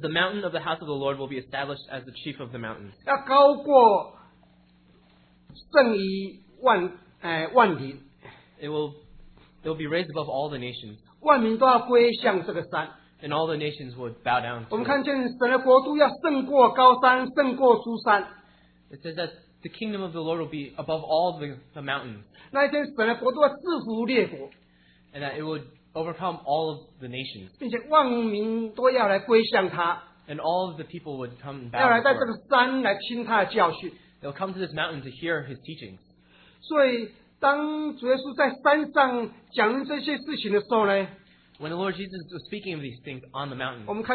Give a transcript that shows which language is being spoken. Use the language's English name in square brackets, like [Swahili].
[English] the mountain of the house of the Lord will be established as the chief of the mountains. [Chinese] 要高过圣于万里。 [English] It will be raised above all the nations. [Chinese] 万民都要归向这个山, [English] and all the nations would bow down to it. [Chinese] 我们看见神的国度要胜过高山，胜过诸山。 [English] It says that the kingdom of the Lord will be above all the mountains. [Chinese] 那一天神的国度要制服列国, [English] and that it would overcome all of the nations. [Chinese] 并且万民都要来归向他, [English] and all of the people would come and bow. [Chinese] 要来在这个山来听他的教训。 [English] They'll come to this mountain to hear his teachings. [Chinese] 所以, 当主耶稣在山上讲这些事情的时候呢, [English] When the Lord Jesus was speaking of these things on the mountain,